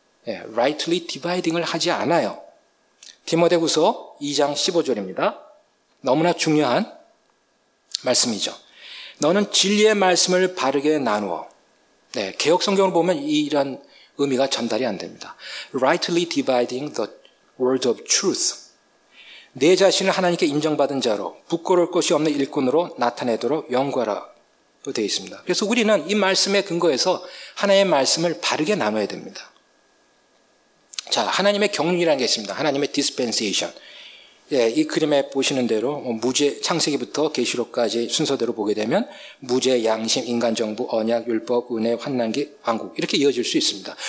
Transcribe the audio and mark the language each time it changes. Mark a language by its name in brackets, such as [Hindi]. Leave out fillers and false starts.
[Korean] Rightly dividing을 하지 않아요. 디모데후서 2장 15절입니다. 너무나 중요한 말씀이죠. 너는 진리의 말씀을 바르게 나누어. 네, 개역성경을 보면 이런 의미가 전달이 안 됩니다. [English] Rightly dividing the word of truth. [Korean] 내 자신을 하나님께 인정받은 자로 부끄러울 것이 없는 일꾼으로 나타내도록 연구하라고 되어 있습니다. 그래서 우리는 이 말씀에 근거해서 하나님의 말씀을 바르게 나눠야 됩니다. 자, 하나님의 경륜이라는 게 있습니다. 하나님의 dispensation. 예, 이 그림에 보시는 대로 무죄, 창세기부터 계시록까지 순서대로 보게 되면 무죄, 양심, 인간정부, 언약, 율법, 은혜, 환난기, 왕국 이렇게 이어질 수 있습니다.